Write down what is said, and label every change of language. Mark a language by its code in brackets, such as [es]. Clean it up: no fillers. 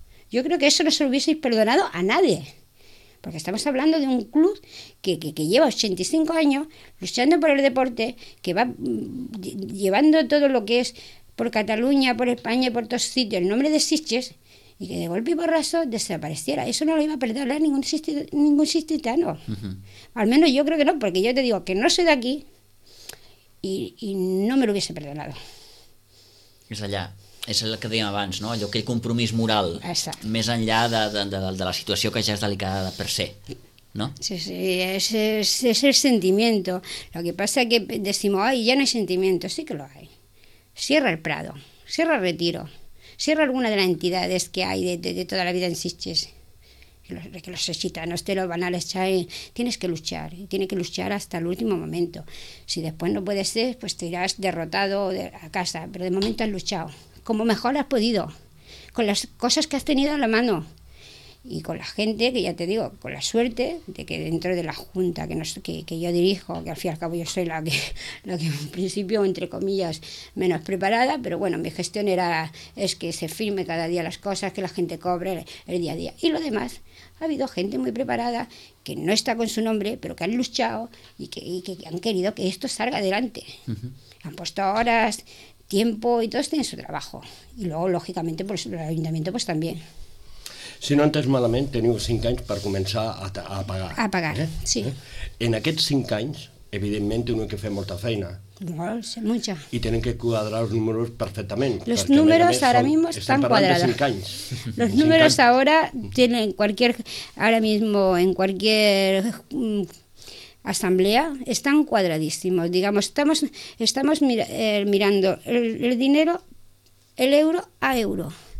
[es] Yo creo que eso no se lo hubieseis perdonado a nadie, porque estamos hablando de un club que lleva 85 años luchando por el deporte, que va llevando todo lo que es por Cataluña, por España y por todos sitios el nombre de Sitges, y que de golpe y porrazo desapareciera. Eso no lo iba a perdonar ningún sitgitano. Al menos yo creo que no, porque yo te digo que no soy de aquí y no me lo hubiese perdonado. Es allá. [ca] És el que dèiem abans, no? Allò, aquell compromís moral. Exacte. Més enllà de la situació que ja és delicada per se, no? Sí, sí, és el sentimiento. [es] Lo que pasa que decimos, ay, ya no hay sentimiento. Sí que lo hay. Cierra el Prado, cierra el Retiro, cierra alguna de las entidades que hay de toda la vida en Sitges. Que los gitanos te lo van a echar, tienes que luchar, y tienes que luchar hasta el último momento. Si después no puedes ser, pues te irás derrotado a casa, pero de momento has luchado. Como mejor has podido, con las cosas que has tenido a la mano y con la gente, que ya te digo, con la suerte de que dentro de la junta que yo dirijo, que al fin y al cabo yo soy la que en principio, entre comillas, menos preparada, pero bueno, mi gestión es que se firme cada día las cosas, que la gente cobre el día a día. Y lo demás, ha habido gente muy preparada que no está con su nombre, pero que han luchado y que han querido que esto salga adelante. Han puesto horas, tiempo, y todos tienen su trabajo. Y luego, lógicamente, pues, el ayuntamiento pues también. [ca] Si no entes malament, teniu 5 anys per començar a pagar. A pagar, eh? Sí. En aquests 5 anys, evidentment, teniu que fer molta feina. [es] Mucha. [ca] I tenen que quadrar els números perfectament. [es] Los números ahora mismo están cuadrados. [ca] Estan parlant de 5 anys. [es] Los números ahora tienen cualquier, ahora mismo, en cualquier asamblea, están cuadradísimos. Digamos, estamos mirando el dinero, el euro a euro.